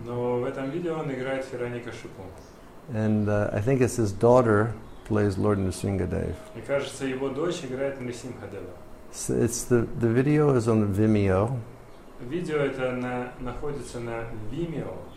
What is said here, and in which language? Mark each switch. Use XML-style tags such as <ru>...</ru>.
<ru>Но в этом видео он играет Хираньякашипу.</ru> <en>And I think it's his daughter plays Lord Nrisimhadev.</en> <ru>Мне кажется, его дочь играет Нрисимхадева.</ru> <en>So it's the video is on Vimeo.</en> <ru>Видео это находится на Vimeo.</ru>